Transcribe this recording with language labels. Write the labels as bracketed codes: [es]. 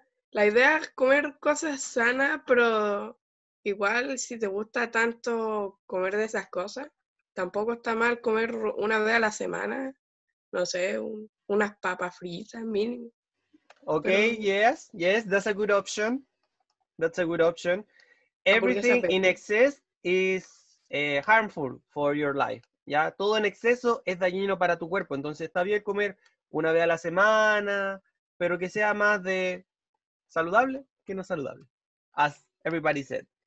[es] La idea es comer cosas sanas, pero igual si te gusta tanto comer de esas cosas, tampoco está mal comer una vez a la semana, no sé, unas papas fritas mínimo. [en] Okay, pero, yes, yes, that's a good option. That's a good option. Everything in excess is harmful for your life. [es] Ya, todo en exceso es dañino para tu cuerpo. Entonces está bien comer una vez a la semana, pero que sea más de saludable que no saludable, [en] as everybody said.